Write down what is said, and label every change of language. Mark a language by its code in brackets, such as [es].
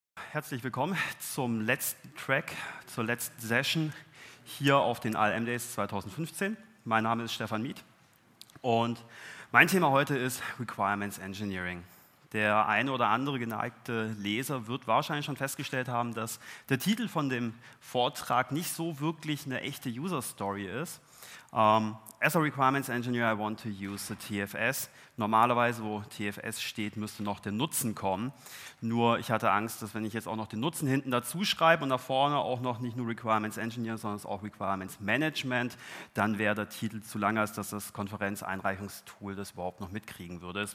[de] herzlich willkommen zum letzten Track, zur letzten Session hier auf den ALM Days 2015. Mein Name ist Stefan Miet und mein Thema heute ist Requirements Engineering. Der eine oder andere geneigte Leser wird wahrscheinlich schon festgestellt haben, dass der Titel von dem Vortrag nicht so wirklich eine echte User Story ist. [en] As a Requirements Engineer, I want to use the TFS. [de] Normalerweise, wo TFS steht, müsste noch der Nutzen kommen. Nur ich hatte Angst, dass wenn ich jetzt auch noch den Nutzen hinten dazu schreibe und da vorne auch noch nicht nur Requirements Engineer, sondern auch Requirements Management, dann wäre der Titel zu lang, als dass das Konferenzeinreichungstool das überhaupt noch mitkriegen würde.